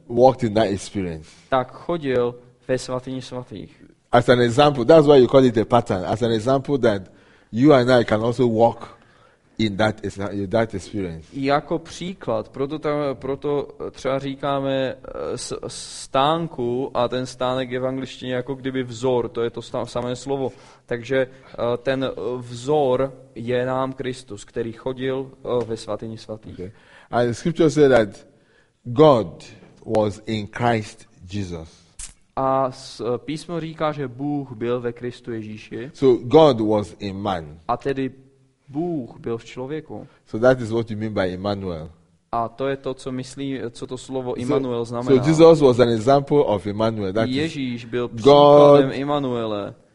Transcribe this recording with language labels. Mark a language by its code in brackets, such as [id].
[en] walked in that experience. [cs] Tak chodil ve svatyni svatých. [en] As an example, that's why you call it a pattern. As an example that you and I can also walk in that experience. [cs] Jako příklad, proto třeba říkáme stánku a ten stánek je v angličtině jako kdyby vzor, to je to samé slovo. Takže ten vzor je nám Kristus, který chodil ve svatyni svatých. [en] Okay. And the scripture says that God was in Christ Jesus. [cs] A písmo říká, že Bůh byl ve Kristu Ježíši. [en] So God was in man. [cs] A tedy Bůh byl v člověku. [en] So that is what you mean by Emmanuel. [cs] A to je to, co myslí, co to slovo Immanuel znamená. [en] So Jesus was an example of Emmanuel. That [cs] Ježíš byl příkladem Immanuele.